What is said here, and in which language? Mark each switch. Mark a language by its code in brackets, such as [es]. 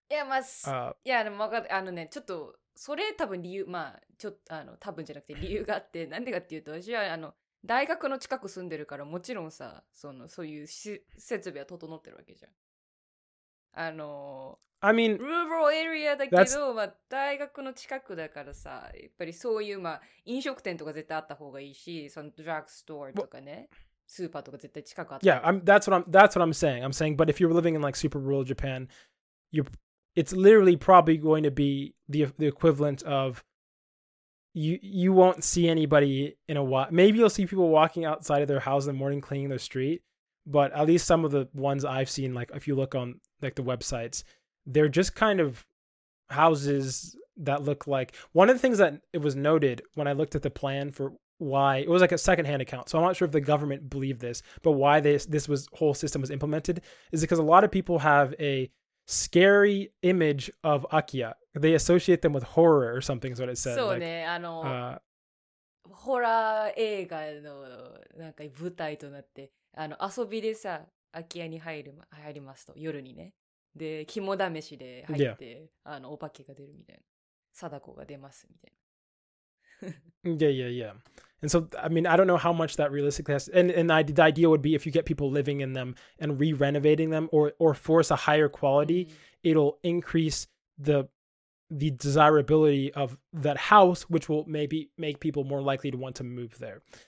[ja] Yeah, まあ、yeah, でも、あのね、ちょっとそれ多分理由、まあ、ちょっとあの、多分じゃなくて理由があって、なんでかっていうと、私はあの、大学の近く住んでるから、もちろんさ、その、そういう設備は整ってるわけじゃん。あの、 [en] I mean, rural area [ja] だけど、まあ、大学の近くだからさ、やっぱりそういう、まあ、飲食店とか絶対あった方がいいし、そのドラッグストアとかね、 well, スーパーとか絶対近くあった方がいい。 [en] Yeah, that's what I'm saying. I'm saying, but if you're living in like super rural Japan, it's literally probably going to be the equivalent of you won't see anybody in a while. Maybe you'll see people walking outside of their house in the morning cleaning their street, but at least some of the ones I've seen, like if you look on like the websites, they're just kind of houses that look like one of the things that it was noted when I looked at the plan for why it was like a secondhand account. So I'm not sure if the government believed this, but why this was whole system was implemented is because a lot of people have a scary image of Akiya. They associate them with horror or something is what it said. So, like, [ja] horror映画の舞台となって遊びでさ、Akiyaに入りますと夜にね。で、肝試しで入って、 [en] yeah. [ja] あのお化けが出るみたいな、貞子が出ますみたいな。 [en] yeah, yeah, yeah. And so, I mean, I don't know how much that realistically has. And the idea would be if you get people living in them and re-renovating them or force a higher quality, mm-hmm. it'll increase the desirability of that house, which will maybe make people more likely to want to move there.